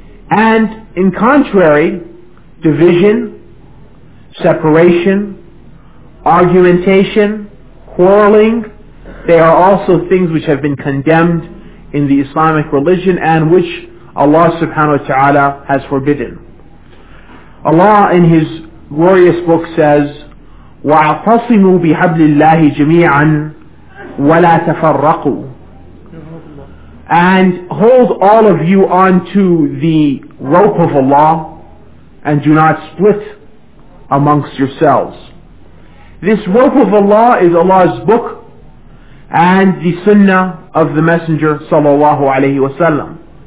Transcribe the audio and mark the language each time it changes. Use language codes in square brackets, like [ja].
[en] And in contrary, division, separation, argumentation, quarreling, they are also things which have been condemned in the Islamic religion and which Allah subhanahu wa ta'ala has forbidden. Allah in His glorious book says, [ar] وَاعْتَصِمُوا بِحَبْلِ اللَّهِ جَمِيعًا وَلَا تَفَرَّقُوا. [en] And hold all of you onto the rope of Allah and do not split amongst yourselves. This rope of Allah is Allah's book and the sunnah of the Messenger sallallahu alayhi wa sallam.